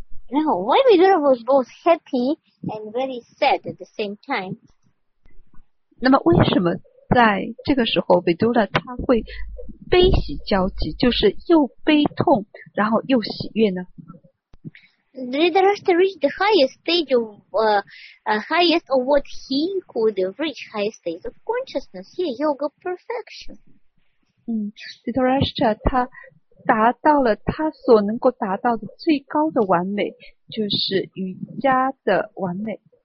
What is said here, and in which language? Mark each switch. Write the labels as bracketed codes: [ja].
[en] Now, why Vidura was both happy and very sad at the same time? [zh] 那么为什么在这个时候 Vidura 他会悲喜交集，就是又悲痛然后又喜悦呢？ [en] Dhritarashtra reached the highest stage of highest of what he could have reached, highest stage of consciousness, yeah, yoga perfection. [zh] Dhritarashtra 他达到了他所能够达到的最高的完美，就是瑜伽的完美。